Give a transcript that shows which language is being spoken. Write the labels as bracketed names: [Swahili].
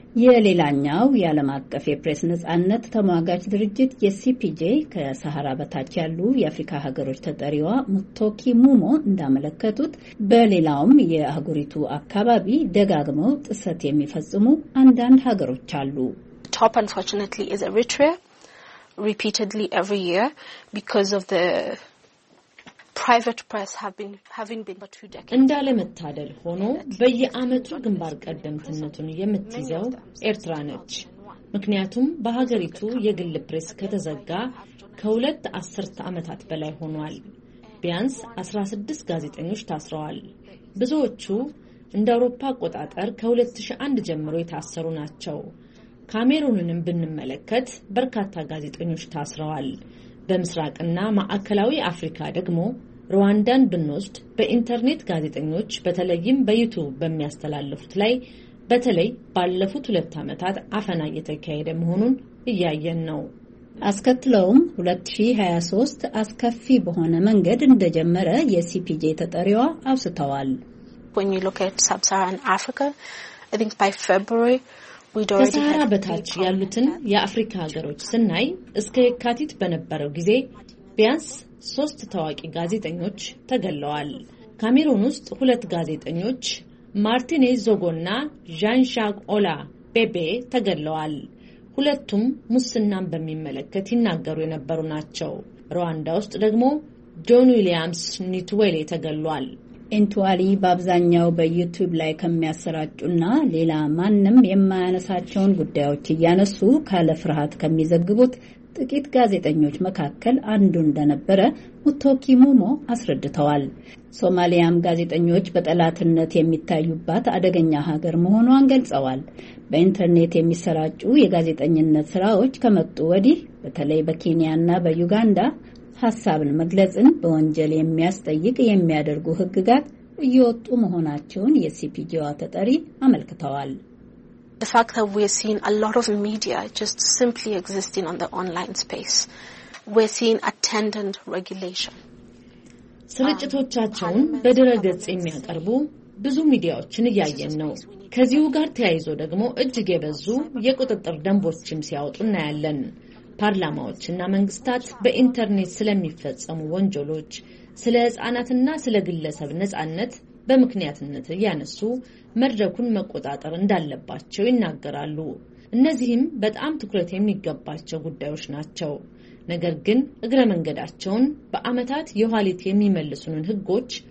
[Amharic] የሌላኛው የዓለም አቀፍ የፕሬስ ነጻነት ተሟጋች ድርጅት የሲፒጄ ከሰሃራ በታች ያሉ የአፍሪካ ሀገሮች ተጠሪዋ ሙቶኪ ሙሞ እንዳመለከቱት በሌላውም የአህጉሪቱ አካባቢ ደጋግመው ጥሰት የሚፈጽሙ አንዳንድ ሀገሮች አሉ። [English] Top unfortunately is Eritrea. Repeatedly every year because of the private press having been for 2 decades [Amharic] እንዳለመታደል ሆኖ በየአመቱ ግንባር ቀደምትነቱን የምትይዘው ኤርትራ ነች። ምክንያቱም በሀገሪቱ የግል ፕሬስ ከተዘጋ ከሁለት አስርት አመታት በላይ ሆኗል። ቢያንስ 16 ጋዜጠኞች ታስረዋል። ብዙዎቹ እንደ አውሮፓ አቆጣጠር ከ2001 ጀምሮ የታሰሩ ናቸው። ካሜሩንንም ብንመለከት በርካታ ጋዜጠኞች ታስረዋል። በምስራቅና ማዕከላዊ አፍሪካ ደግሞ ሩዋንዳን ብንወስድ በኢንተርኔት ጋዜጠኞች በተለይም በዩቲዩብ በሚያስተላልፉት ላይ በተለይ ባለፉት 2 አመታት አፈና እየተካሄደ መሆኑን እያየን ነው። አስከትለውም 2023 አስከፊ በሆነ መንገድ እንደጀመረ የሲፒጄ ተጠሪዋ አውስተዋል። [English] When you look at sub-Saharan Africa, I think by February [Amharic] ከሰሃራ በታች ያሉትን የአፍሪካ ሀገሮች ስናይ እስከ የካቲት በነበረው ጊዜ ቢያንስ 3 ታዋቂ ጋዜጠኞች ተገለዋል። ካሜሩን ውስጥ 2 ጋዜጠኞች ማርቲኔዝ ዞጎና ዣንሻክ ኦላ ቤቤ ተገለዋል። ሁለቱም ሙስናን በሚመለከት ይናገሩ የነበሩ ናቸው። ሩዋንዳ ውስጥ ደግሞ ጆን ዊሊያምስ ኒትዌሌ ተገለዋል። ኢንቱዋሊ በአብዛኛው በዩቲዩብ ላይ ከሚያሰራጩና ሌላ ማንም የማያነሳቸውን ጉዳዮች እያነሱ ካለ ፍርሃት ከሚዘግቡት ጥቂት ጋዜጠኞች መካከል አንዱ እንደነበረ ሙቶኪ ሙሞ አስረድተዋል። ሶማሊያም ጋዜጠኞች በጠላትነት የሚታዩባት አደገኛ ሀገር መሆኗን ገልጸዋል። በኢንተርኔት የሚሰራጩ የጋዜጠኝነት ስራዎች ከመጡ ወዲህ በተለይ በኬንያና በዩጋንዳ ሐሳብን መግለጽን በወንጀል የሚያስጠይቅ የሚያደርጉ ህግጋት እየወጡ መሆናቸውን የሲፒጂዋ ተጠሪ አመልክተዋል። [English] The fact that we're seeing a lot of media just simply existing on the online space. We're seeing attendant regulation. [Amharic] ስርጭቶቻቸውን በድረገጽ የሚያቀርቡ ብዙ ሚዲያዎችን እያየን ነው። ከዚሁ ጋር ተያይዞ ደግሞ እጅግ የበዙ የቁጥጥር ደንቦችም ሲያወጡ እናያለን። ፓርላማዎች እና መንግስታት በኢንተርኔት ስለሚፈጸሙ ወንጀሎች፣ ስለ ህጻናትና ስለ ግለሰብ ነጻነት በመክንያትነት ያነሱ መድረኩን መቆጣጠር እንዳለባቸው ይናገራሉ። እነዚህም በጣም ትኩረት የሚገባቸው ጉዳዮች ናቸው። ነገር ግን እግረ መንገዳቸውን በአመታት የኋሊት የሚመለሱን ህጎች